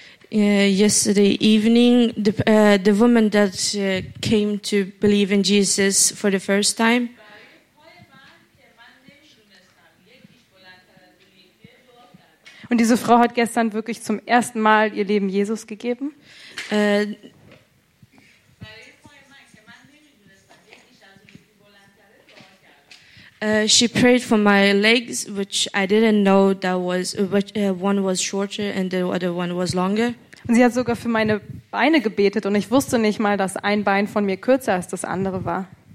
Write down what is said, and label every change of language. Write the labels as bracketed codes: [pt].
[en] Yesterday evening, the woman that came to believe in Jesus for the first time. [de] Und diese Frau hat gestern wirklich zum ersten Mal ihr Leben Jesus gegeben. [en] She prayed for my legs, which I didn't know that was, one was shorter and the other one was longer. [de] Und sie hat sogar für meine Beine gebetet und ich wusste nicht mal, dass ein Bein von mir kürzer als das andere war.